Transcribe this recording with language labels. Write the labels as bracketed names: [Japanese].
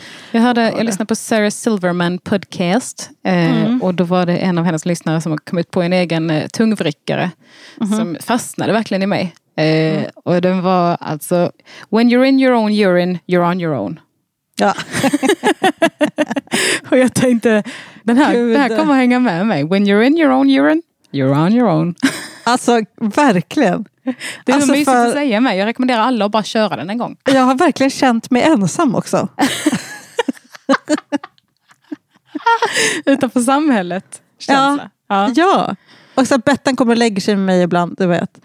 [Swedish] Jag hörde, jag lyssnade på Sarah Silverman podcast och då var det en av hennes lyssnare som har kommit på en egen tungvrickare som fastnade verkligen i mig. Och den var alltså, [English] when you're in your own urine, you're on your own. [Swedish] Ja. Och jag tänkte, den här kommer att hänga med mig. [English] When you're in your own urine, you're on your own. [Swedish] Alltså, verkligen. Det är alltså mysigt för... att säga mig. Jag rekommenderar alla att bara köra den en gång. Jag har verkligen känt mig ensam också. Utanför samhället. Ja. Och så Bettan kommer och lägger sig med mig ibland, du vet.